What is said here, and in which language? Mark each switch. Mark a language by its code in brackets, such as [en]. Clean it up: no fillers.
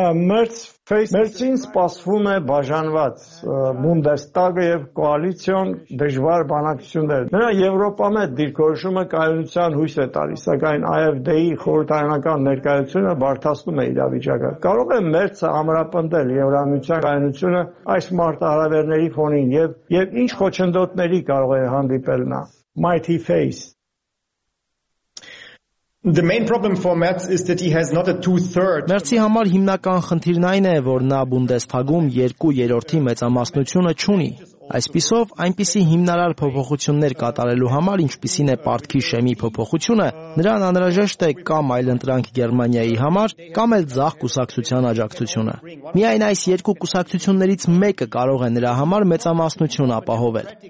[hy] Մերցին սպասվում է բաժանված Բունդեստագը եւ կոալիցիոն դժվար բանակցություններ։ Նրա Եվրոպա մեջ դիրքորոշումը կայունության հույս է տալիս, սակայն AfD-ի խորհրդարանական ներկայությունը բարձրացնում է իրավիճակը։ Կարող է Մերցը ամրապնդել Եվրամիության կայունությունը այս մարտահրավերների ֆոնին եւ ինչ խոչընդոտների կարող է հանդիպել նա։ [en] Mighty face. The main problem for Merz is that he has not a 2/3. [hy] Մերցի համար հիմնական խնդիրն այն է, որ նա Բունդեսթագում 2/3 մեծամասնությունը չունի։ Այսպիսով, այնպիսի հիմնարար փոփոխություններ կատարելու համար, ինչպիսին է Պարտքի Շեմի փոփոխությունը, նրան անհրաժեշտ է կամ այլընտրանք Գերմանիայի համար, կամ էլ ցախ կուսակցության աջակցությունը։ Միայն այս երկու կուսակցություններից մեկը կարող է նրա համար մեծամասնություն ապահովել։